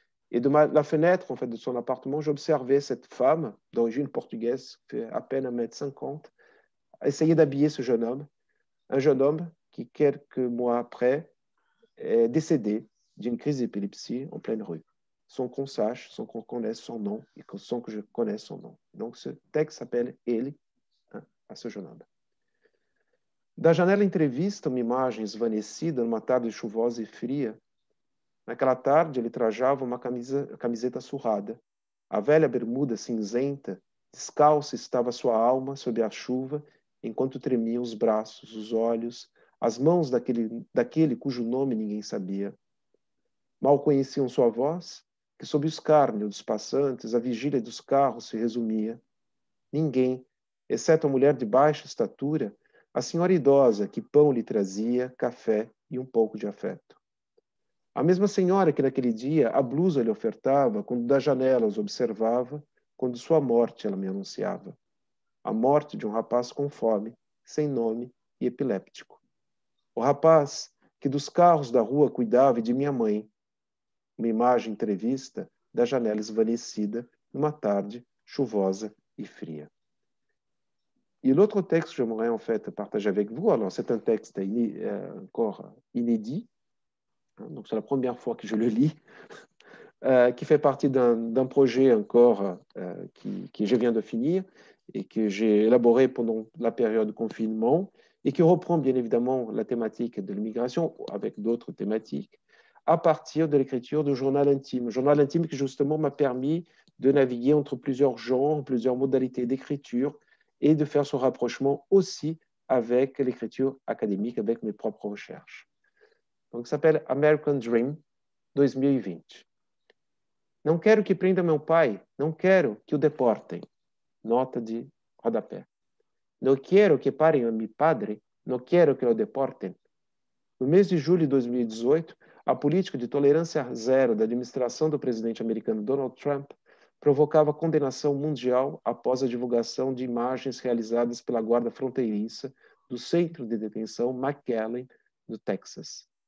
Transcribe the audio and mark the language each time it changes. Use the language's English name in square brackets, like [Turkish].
[French] Et de la fenêtre en fait, de son appartement, j'observais cette femme d'origine portugaise, fait à peine 1,50 m, essayer d'habiller ce jeune homme. Un jeune homme qui, quelques mois après, est décédé d'une crise d'épilepsie en pleine rue. Sans qu'on sache, sans qu'on connaisse son nom, et sans que je connaisse son nom. Donc ce texte s'appelle « Ele hein, » à ce jeune homme. [Portuguese] Da janela entrevista uma imagem esvanecida numa tarde chuvosa e fria. Naquela tarde, ele trajava uma camiseta surrada. A velha bermuda cinzenta, descalça, estava sua alma sob a chuva, enquanto tremiam os braços, os olhos, as mãos daquele cujo nome ninguém sabia. Mal conheciam sua voz, que sob o escárnio dos passantes, a vigília dos carros se resumia. Ninguém, exceto a mulher de baixa estatura, a senhora idosa que pão lhe trazia, café e um pouco de afeto. A mesma senhora que naquele dia a blusa lhe ofertava, quando da janela os observava, quando sua morte ela me anunciava. A morte de um rapaz com fome, sem nome e epiléptico. O rapaz que dos carros da rua cuidava e de minha mãe. Uma imagem entrevista da janela esvanecida numa tarde chuvosa e fria. [French] Et l'autre texte que j'aimerais en fait partager avec vous, alors c'est un texte encore inédit, donc c'est la première fois que je le lis, qui fait partie d'un projet encore qui je viens de finir et que j'ai élaboré pendant la période confinement et qui reprend bien évidemment la thématique de l'immigration avec d'autres thématiques à partir de l'écriture de journal intime. Journal intime qui justement m'a permis de naviguer entre plusieurs genres, plusieurs modalités d'écriture et de faire ce rapprochement aussi avec l'écriture académique, avec mes propres recherches. Donc, ça s'appelle American Dream 2020. [Portuguese] Não quero que prenda meu pai, não quero que o deportem. Nota de rodapé. Não quero que parem [Spanish] a mi padre, [Portuguese] não quero que o deportem. No mês de julho de 2018, a política de tolerância zero da administração do presidente americano Donald Trump provocava condenação mundial após a divulgação de imagens realizadas pela guarda fronteiriça do centro de detenção McAllen, no Texas.